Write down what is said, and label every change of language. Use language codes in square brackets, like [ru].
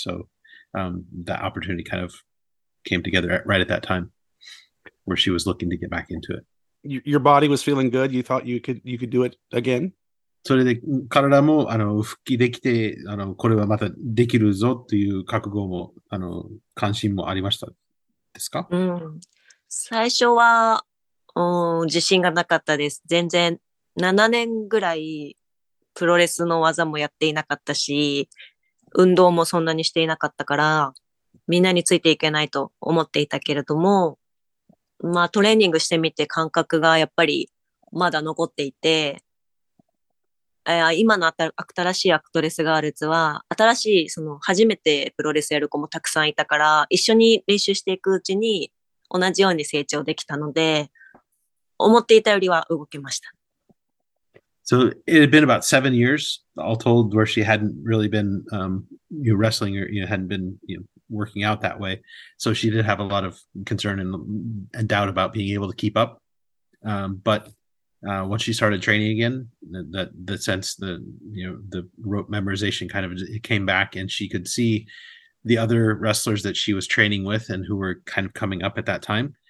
[en] So that opportunity kind of came together right at that time where she was looking to get back into it. Your body was feeling good. You thought you could do it again? [ja] それで体も復帰できてこれはまたできるぞという覚悟も関心もありましたですか？最初は自信がなかったです。全然7年ぐらいプロレスの技もやっていなかったし運動もそんなにしていなかったからみんなについていけないと思っていたけれども、まあトレーニングしてみて感覚がやっぱりまだ残っていて、今の新しいアクトレスガールズは、新しい、その初めてプロレスやる子もたくさんいたから、一緒に練習していくうちに同じように成長できたので、思っていたよりは動けました。 [en] So it had been about 7 years, all told, where she hadn't really been, you know, wrestling or, you know, hadn't been, you know, working out that way. So she did have a lot of concern and doubt about being able to keep up. But, once she started training again, the rope memorization kind of came back, and she could see the other wrestlers that she was training with and who were kind of coming up at that time.